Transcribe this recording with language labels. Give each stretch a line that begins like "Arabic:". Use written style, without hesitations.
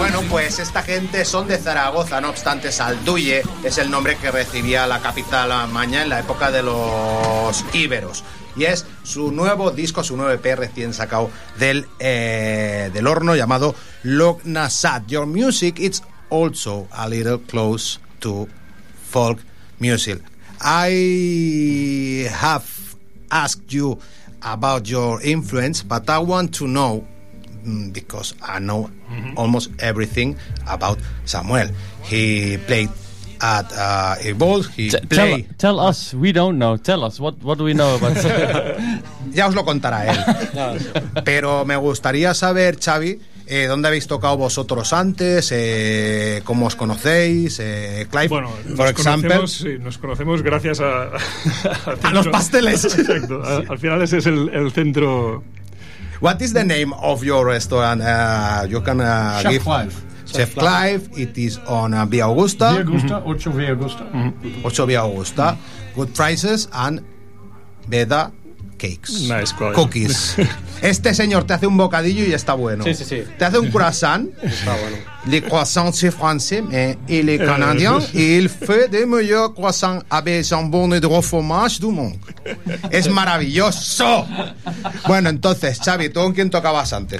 Spanish: Pues esta gente son de Zaragoza, no obstante, Salduye es el nombre que recibía la capital maña en la época de los íberos. Y es su nuevo disco, su nuevo EP recién sacado del horno, llamado Lognasad.
English: Your music is also a little close to folk music. I have asked you about your influence, but I want to know, because I know almost everything about Samuel. He played at Evolve. Tell us. We don't know. Tell us. What do we know about Samuel?
Spanish: Ya os lo contará él. Pero me gustaría saber, Xavi, ¿dónde habéis tocado vosotros antes? ¿Cómo os conocéis? Clive, bueno, nos conocemos gracias a los pasteles. Exacto. Sí. Al final ese es el centro...
English: What is the name of your restaurant? You can Chef Clive. Chef Clive. It is on Via Augusta. Via Augusta, 8 Via Augusta. 8 Via Augusta. Good prices and Veda cakes. Nice quality. Cookies.
Spanish: Este señor te hace un bocadillo y está bueno. Sí, sí, sí. Te hace un croissant. Está bueno.
French: Les croissants, c'est français, mais il est canadien. Il fait des meilleurs croissants avec jambon et gros fromage du monde.
Spanish: ¡Es maravilloso! Bueno, entonces, Xavi, ¿tú con quién tocabas antes?